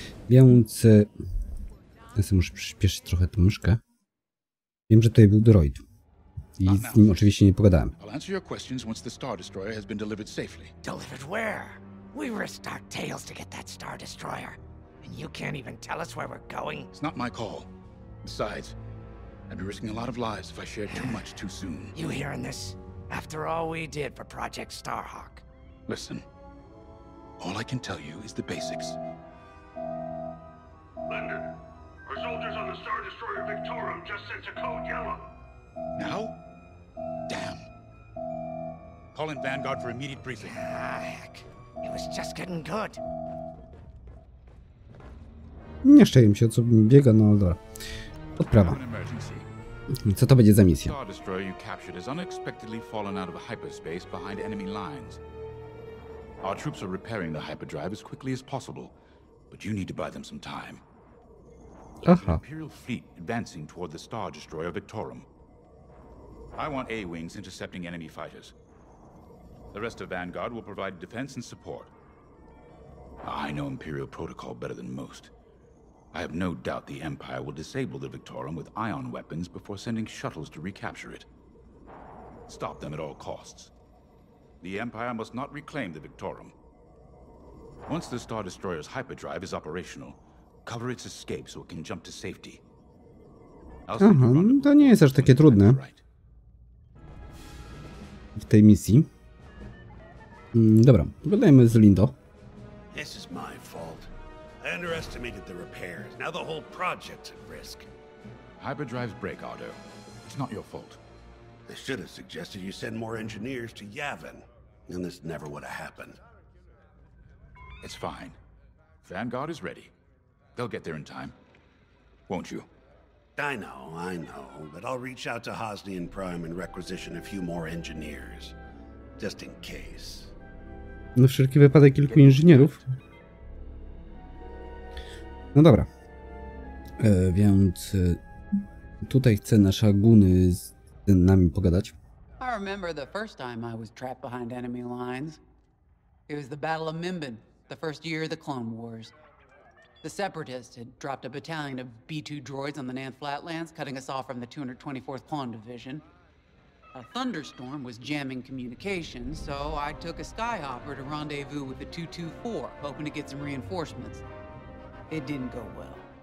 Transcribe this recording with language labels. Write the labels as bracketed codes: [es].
[pl] Więc ja sobie muszę przyspieszyć trochę tę myszkę. Wiem, że tutaj był droid. I z nim oczywiście nie pogadałem. [en] I'll answer your questions once the Star Destroyer has been delivered safely. Delivered where? We risked our tails to get that Star Destroyer, and you can't even tell us where we're going? It's not my call. Besides, I'd be risking a lot of lives if I shared too much too soon. You hearing this? After all we did for Project Starhawk. Listen, all I can tell you is the basics. Lyndon, our soldiers on the Star Destroyer Victorum just sent a code yellow. Now? Damn. Call in Vanguard for immediate briefing. Ah, heck. It was just getting good. [pl] Nie szczerze mi się, co biega, no dobra. Odprawa. Co to będzie za misja? [en] Star Destroyer you captured has unexpectedly fallen out of a hyperspace behind enemy lines. Our troops are repairing the hyperdrive as quickly as possible, but you need to buy them some time. Aha. Imperial fleet advancing toward the Star Destroyer Victorum. I want A-wings intercepting enemy fighters. The rest of Vanguard will provide defense and support. I know Imperial protocol better than most. I have no doubt the Empire will disable the Victorum with ion weapons before sending shuttles to recapture it. Stop them at all costs. The Empire must not reclaim the Victorum. Once the Star Destroyer's hyperdrive is operational, cover its escape so it can jump to safety. [pl] To nie jest aż takie trudne. W tej misji. Dobra, pogadajmy z Lindo. [en] This is my fault. I underestimated the repairs. Now the whole project's at risk. Hyperdrives break, Otto. It's not your fault. They should have suggested you send more engineers to Yavin. And this never would have happened. It's fine. Vanguard is ready. They'll get there in time. Won't you? I know, but I'll reach out to Hosnian Prime and requisition a few more engineers. Just in case. [pl] Na wszelki wypadek kilku inżynierów. No dobra. Więc tutaj chce nasza Guny z nami pogadać. [en] I remember the first time I was trapped behind enemy lines. It was the Battle of Mimban, the first year of the Clone Wars. The Separatists had dropped a battalion of B2 droids on the Nanth Flatlands, cutting us off from the 224th Clone Division. A thunderstorm was jamming communication, so I took a skyhopper to rendezvous with the 224, hoping to get some reinforcements. It didn't go well.